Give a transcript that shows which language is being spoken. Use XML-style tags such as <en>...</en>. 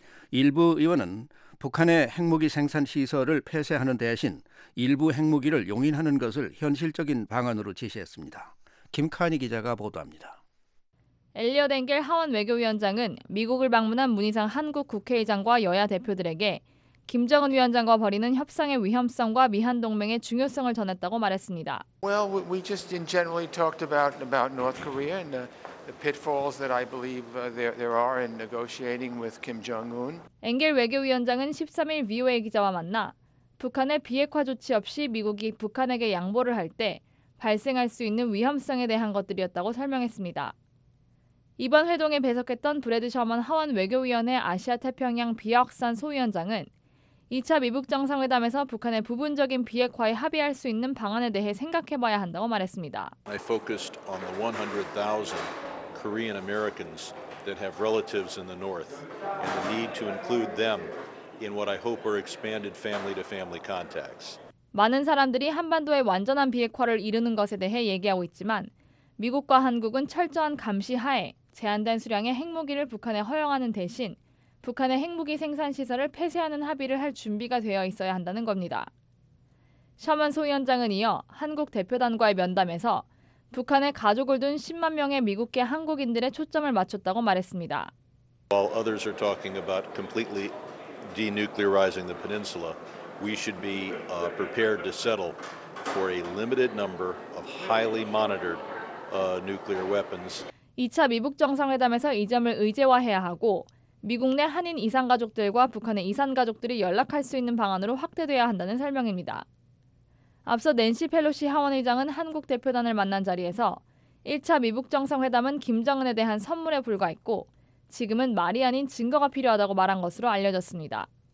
<ko>일부 의원은 북한의 핵무기 생산 시설을 폐쇄하는 대신 일부 핵무기를 용인하는 것을 현실적인 방안으로 제시했습니다. 김카니 기자가 보도합니다. 엘리엇 앵겔 하원 외교위원장은 미국을 방문한 문희상 한국 국회의장과 여야 대표들에게 김정은 위원장과 벌이는 협상의 위험성과 미한 동맹의 중요성을 전했다고 말했습니다.</ko> <en>Well, we just in generally talked about North Korea and the pitfalls that I believe there are in negotiating with Kim Jong-un.</en> <ko>앵겔 외교위원장은 13일 VOA 기자와 만나 북한의 비핵화 조치 없이 미국이 북한에게 양보를 할 때 발생할 수 있는 위험성에 대한 것들이었다고 설명했습니다. 이번 회동에 배석했던 브래드 셔먼 하원 외교위원회 아시아 태평양 비확산 소위원장은 2차 미북 정상회담에서 북한의 부분적인 비핵화에 합의할 수 있는 방안에 대해 생각해봐야 한다고 말했습니다.</ko> <en>I focused on the 100,000 Korean Americans that have relatives in the North and the need to include them in what I hope are expanded family-to-family contacts.</en> <ko>많은 사람들이 한반도의 완전한 비핵화를 이루는 것에 대해 얘기하고 있지만 미국과 한국은 철저한 감시 하에 제한된 수량의 핵무기를 북한에 허용하는 대신 북한의 핵무기 생산 시설을 폐쇄하는 합의를 할 준비가 되어 있어야 한다는 겁니다. 셔먼송 위원장은 이어 한국 대표단과의 면담에서 북한의 가족을 둔 10만 명의 미국계 한국인들의 초점을 맞췄다고 말했습니다.</ko> <en>While others are talking about completely denuclearizing the peninsula, we should be prepared to settle for a limited number of highly monitored nuclear weapons.</en> <ko>2차 미북 정상회담에서 이 점을 의제화해야 하고 미국 내 한인 이산 가족들과 북한의 이산 가족들이 연락할 수 있는 방안으로 확대돼야 한다는 설명입니다. 앞서 낸시 펠로시 하원의장은 한국 대표단을 만난 자리에서 1차 미북 정상회담은 김정은에 대한 선물에 불과했고 지금은 말이 아닌 증거가 필요하다고 말한 것으로 알려졌습니다.</ko>